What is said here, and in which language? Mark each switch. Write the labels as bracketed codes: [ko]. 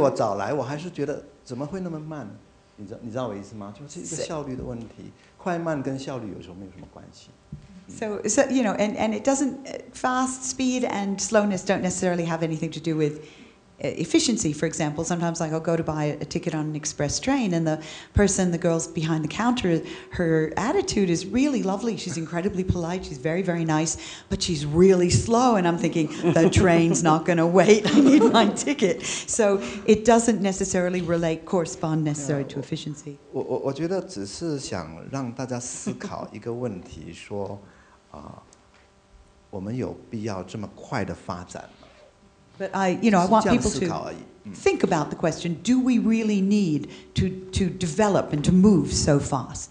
[zh] Yeah, 比如说我去买个高铁的票，那个小姐服务非常好，但她很慢。我就觉得，可是那个火车不会等我们。所以我早来，我还是觉得怎么会那么慢？你知道我意思吗？就是一个效率的问题，快慢跟效率有时候没有什么关系。 [en] So you know, and it doesn't fast speed and slowness don't necessarily have anything to do with efficiency. For example, sometimes like I'll go to buy a ticket on an express train, and the person, the girl's behind the counter, her attitude is really lovely. She's incredibly polite. She's very, very nice, but she's really slow. And I'm thinking the train's not going to wait. I need my ticket. So it doesn't necessarily relate, correspond necessarily to efficiency. [zh] 我觉得只是想让大家思考一个问题，说，我们有必要这么快的发展。 [en] But I want people to think about the question, do we really need to develop and to move so fast?